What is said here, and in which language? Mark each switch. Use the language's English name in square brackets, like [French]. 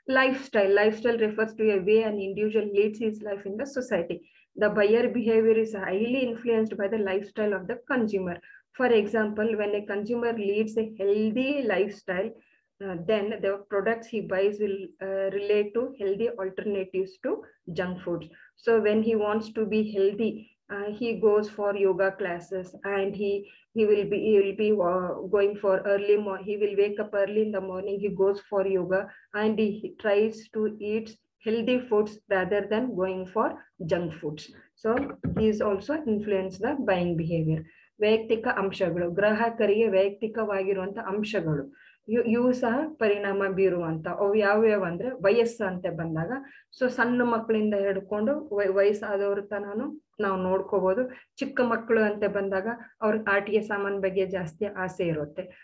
[English] Lifestyle, lifestyle refers to a way an individual leads his life in the society. The buyer behaviour is highly influenced by the lifestyle of the consumer. For example, when a consumer leads a healthy lifestyle, then the products he buys will relate to healthy alternatives to junk foods. So when he wants to be healthy, he goes for yoga classes and he will be going for early morning, he will wake up early in the morning, he goes for yoga and he tries to eat healthy foods rather than going for junk foods. So these also influence the buying behavior. [Kannada] ವೈಯಕ್ತಿಕ ಅಂಶಗಳು, ಗ್ರಾಹಕರಿಗೆ ವೈಯಕ್ತಿಕವಾಗಿರುವಂತ ಅಂಶಗಳು ಇವು ಸಹ ಪರಿಣಾಮ ಬೀರುವಂತ ಅವು ಯಾವ್ಯಾವ ಅಂದ್ರೆ ವಯಸ್ಸು ಅಂತ ಬಂದಾಗ, ಸೊ ಸಣ್ಣ ಮಕ್ಕಳಿಂದ ಹಿಡ್ಕೊಂಡು ವಯಸ್ಸಾದವ್ರ ತನಾನು ನಾವು ನೋಡ್ಕೋಬಹುದು. ಚಿಕ್ಕ ಮಕ್ಕಳು ಅಂತ ಬಂದಾಗ ಅವ್ರ ಆಟಿಗೆ ಸಾಮಾನು ಬಗ್ಗೆ ಜಾಸ್ತಿ ಆಸೆ ಇರುತ್ತೆ.